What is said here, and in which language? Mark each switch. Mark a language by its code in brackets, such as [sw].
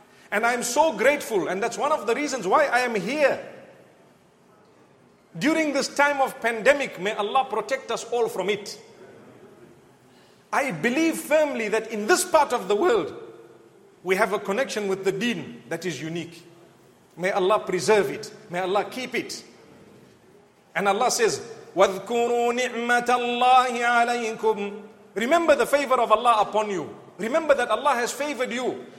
[en] And I am so grateful, and that's one of the reasons why I am here. During this time of pandemic, may Allah protect us all from it. I believe firmly that in this part of the world, we have a connection with the deen that is unique. May Allah preserve it. May Allah keep it. And Allah says, [ar] وَذْكُرُوا نِعْمَةَ اللَّهِ عَلَيْكُمْ. [en] Remember the favor of Allah upon you. Remember that Allah has favored you.